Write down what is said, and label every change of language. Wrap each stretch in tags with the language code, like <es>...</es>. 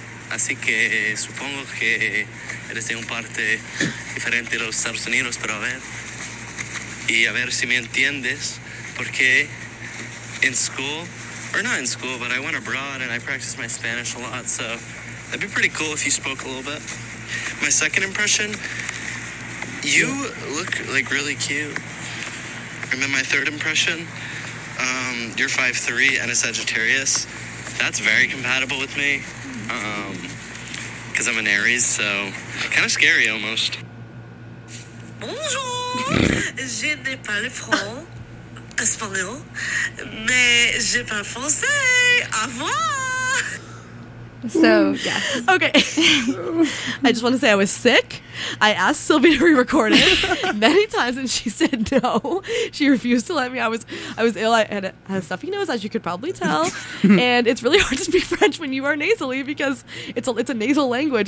<es>Así que supongo que eres de un parte diferente de los Estados Unidos, pero a ver... Y a ver si me entiendes, porque</es> <en>in school, or not in school, but I went abroad and I practiced my Spanish a lot, so that'd be pretty cool if you spoke a little bit. My second impression, you look, like, really cute. And then my third impression, you're 5'3 and a Sagittarius. That's very compatible with me, because I'm an Aries, so kind of scary almost.</en> <fr>Bonjour! Je n'ai pas le franc espagnol, mais je parle français. Au revoir.</fr> <en>So, yes. Okay. I just want to say I was sick. I asked Sylvie to re-record it many times, and she said no. She refused to let me. I was ill. I had a stuffy nose, as you could probably tell. And it's really hard to speak French when you are nasally, because it's a nasal language.</en>